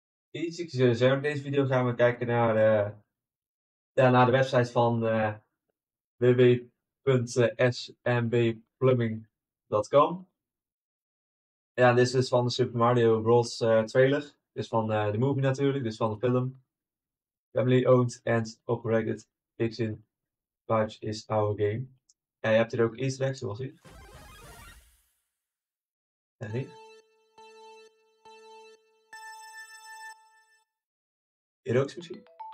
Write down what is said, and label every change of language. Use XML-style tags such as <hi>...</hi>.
<nl>Ik zou zeggen, in deze video gaan we kijken naar de website van www.smbplumbing.com. Ja, dit is van de Super Mario Bros. Trailer. Dit is van de movie natuurlijk, dus van de film.</nl> <en>Family owned and operated Pigeon Pouch is our game.</en> <nl>En je hebt hier ook easter eggs, zoals hier. En hier. Hier ook misschien.</nl>